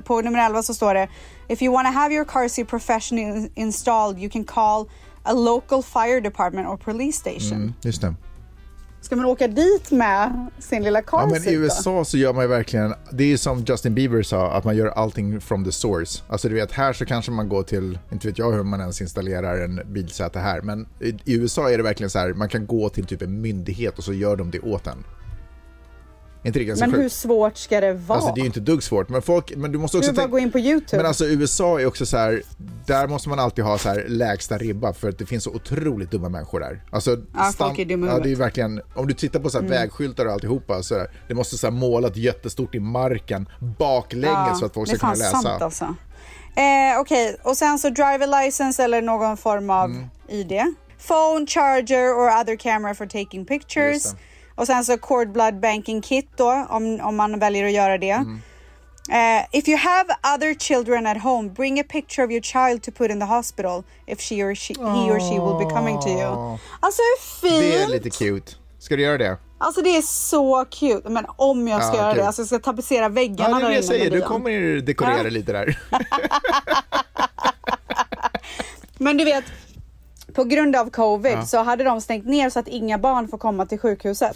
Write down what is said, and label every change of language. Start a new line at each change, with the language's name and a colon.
Swedish: På nummer 11 så står det
English: if you want to have your car seat professionally installed you can call a local fire department or police station.
Swedish: Mm. Just det. Ska man åka dit med sin lilla car seat? Ja, men i USA då? Så gör man ju verkligen, det är som Justin Bieber sa, att man gör allting
English: from the source.
Swedish: Alltså du vet, här så kanske man går till, inte vet jag hur man ens installerar en bilsäte här, men i USA är det verkligen så här, man kan gå till typ en myndighet och så gör de det åt en. Inte men hur svårt ska det vara? Alltså det är ju inte dugg svårt, men folk, men du måste också bara gå in på YouTube. Men alltså USA är också så här, där måste man alltid ha så här lägsta ribba för att det finns så otroligt dumma människor där. Alltså folk är dumma. Ja, det är verkligen om du tittar på så här vägskyltar och alltihopa så där, det måste så här målat jättestort i marken baklänges så att folk ska kunna läsa. Det fanns sant alltså. Okej, okay. Och sen så
English: driver license
Swedish: eller någon form av ID,
English: phone charger or other camera for taking pictures.
Swedish: Och sen så
English: cord blood banking kit
Swedish: då, om man väljer att göra det.
English: If you have other children at home, bring a picture of your child to put in the hospital if she or he or she will be coming to you.
Swedish: Alltså hur fint! Det är lite cute. Ska du göra det? Alltså det är så cute. Men om jag ska göra det, alltså jag ska tapetsera väggarna där inne. Ja, det är det jag säger. Du kommer ju dekorera lite där. Men du vet... På grund av covid så hade de stängt ner så att inga barn får komma till sjukhuset.